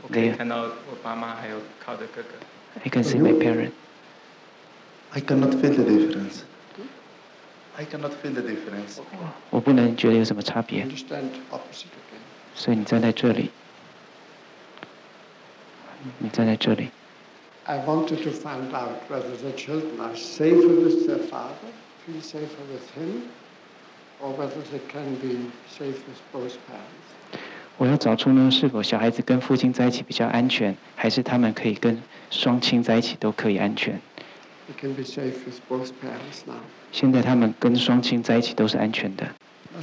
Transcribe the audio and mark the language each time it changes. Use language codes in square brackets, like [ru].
[zh] 我可以看到我爸妈还有靠的哥哥。 [en] I can see my parents. I cannot feel the difference. I cannot feel the difference. Okay. [zh] 我不能觉得有什么差别。 [en] Understand opposite again. [zh] 所以你站在这里。你站在这里。 [en] I wanted to find out whether the children are safer with their father, feel safer with him, or whether they can be safe with both parents. [zh] 我要找出呢，是否小孩子跟父亲在一起比较安全，还是他们可以跟双亲在一起都可以安全。 [en] They can be safe with both parents now. [zh] 现在他们跟双亲在一起都是安全的。 [en] Now